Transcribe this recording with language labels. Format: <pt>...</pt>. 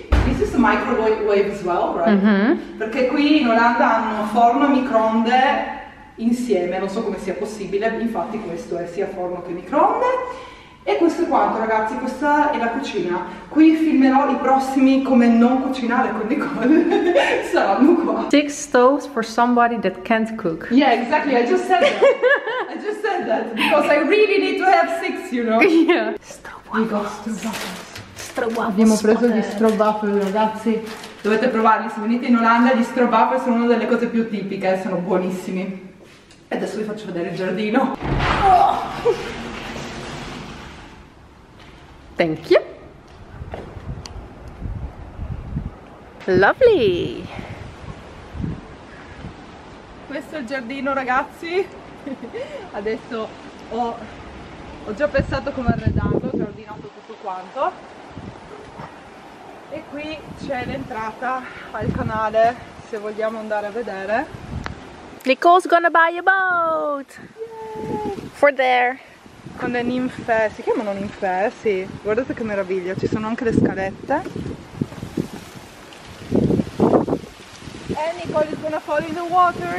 <en>This is a microwave as well, right? Mm-hmm.</en> <it>Perché qui in Olanda hanno forno e microonde insieme, non so come sia possibile, infatti questo è sia forno che microonde. E questo è quanto ragazzi, questa è la cucina. Qui filmerò i prossimi come non cucinare con Nicole. Saranno qua.</it> <en>6 stoves for somebody that can't cook. Yeah, exactly, I just said that. I just said that because I really need to have 6, you know. Yeah.</en> <it>Stroopwafels. Abbiamo preso gli stroopwafels ragazzi. Dovete provarli, se venite in Olanda gli stroopwafels sono una delle cose più tipiche, sono buonissimi. E adesso vi faccio vedere il giardino. Oh!</it> <en>Thank you. Lovely.</en> <it>Questo è il giardino, ragazzi. Adesso ho già pensato come arredarlo, ho già ordinato tutto quanto. E qui c'è l'entrata al canale, se vogliamo andare a vedere.</it> <en>Nicole's gonna buy a boat. Yay. For there.</en> <it>Con le ninfe, si chiamano ninfe, sì. Guardate che meraviglia, ci sono anche le scalette.</it> <en>E Nicole is gonna fall in the water.</en>